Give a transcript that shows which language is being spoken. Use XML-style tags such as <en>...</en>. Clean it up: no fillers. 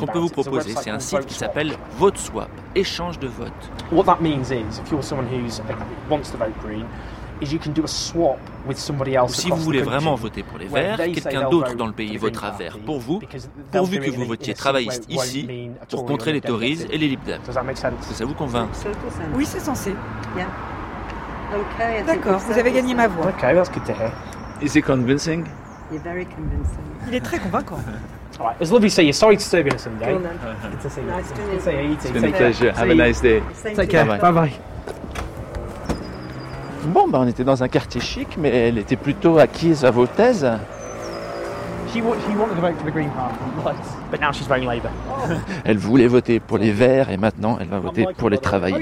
<fr>Donc, ce qu'on peut vous proposer, c'est un site qui s'appelle VoteSwap, échange de vote.</fr> <en>What that means is, if you're someone who's wants to vote green, is you can do a swap with somebody else.</en> <fr>Si vous voulez vraiment voter pour les Verts, quelqu'un d'autre dans le pays votera vert pour vous, pourvu que vous votiez travailliste ici pour contrer les Tories et les Lib Dems.</fr> <en>Does that make sense?</en> <fr>Ça vous convainc? Oui, c'est sensé.</fr> <en>Yeah. Okay.</en> <fr>D'accord. Vous avez gagné ma voix.</fr> <en>Okay, that's good to hear. Is it convincing? You're very convincing.</en> <fr>Il est très convaincant.</fr> <en>All right, it's lovely to see you. Sorry to serve you on Sunday. Well done. It's a nice to meet you. It's been a pleasure. Have a nice day. Take care. Bye bye.</en> <fr>Bon, ben, on était dans un quartier chic, mais elle était plutôt acquise à vos thèses.</fr> <en>She wanted to vote for the Green Party, but now she's voting Labour.</en> <fr>Elle voulait voter pour les Verts et maintenant elle va voter pour les travailleurs.</fr>